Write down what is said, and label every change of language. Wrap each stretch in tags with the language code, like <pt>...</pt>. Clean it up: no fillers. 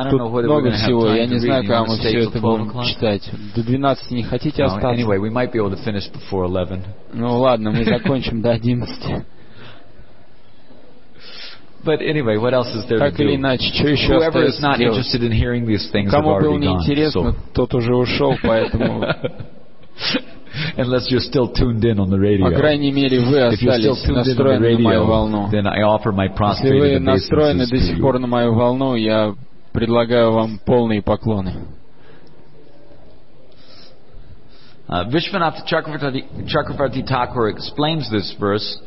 <en>I don't know whether we're going to have time to read the States of 12 o'clock. Anyway, we might be able to finish before 11.</en> <ru>Ну ладно, мы закончим до 11.</ru> <en>But anyway, what else is there</en> <ru>так</ru> <en>to do?</en> <ru>Иначе,</ru> <en>whoever is not interested in hearing these things have already gone.</en> <ru>Интересно, тот уже ушел, поэтому...</ru> <en>Unless you're still tuned in on the radio.</en> <ru>По крайней мере, вы остались настроены на мою волну.</ru> <en>Then I offer my prostrated</en> <ru>если вы настроены до сих пор на мою волну, я предлагаю вам полные поклоны.</ru> <en>Вишванатха Чакраварти Такур explains this verse</en>